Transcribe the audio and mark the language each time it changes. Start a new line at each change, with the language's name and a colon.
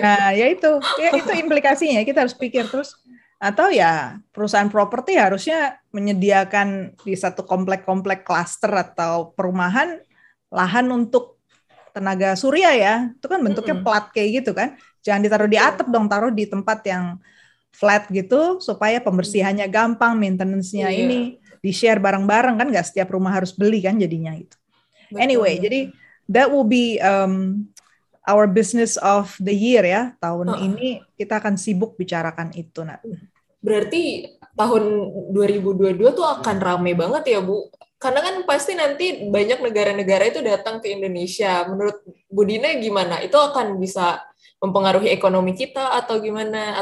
Indonesian: Nah, ya itu. Ya itu implikasinya, kita harus pikir terus. Atau ya perusahaan properti harusnya menyediakan di satu komplek-komplek klaster atau perumahan lahan untuk tenaga surya ya. Itu kan bentuknya plat kayak gitu kan. Jangan ditaruh di atap dong, taruh di tempat yang flat gitu supaya pembersihannya gampang, maintenance-nya ini di-share bareng-bareng kan. Nggak setiap rumah harus beli kan jadinya gitu. Betul.
English: Anyway,
Indonesian: jadi
English: that will be our business of the year ya.
Indonesian: Tahun ini kita akan sibuk bicarakan itu, Nat. Berarti tahun 2022 tuh akan ramai banget ya, Bu. Karena kan pasti nanti banyak negara-negara itu datang ke Indonesia. Menurut Bu Dina gimana? Itu akan bisa mempengaruhi ekonomi kita atau gimana?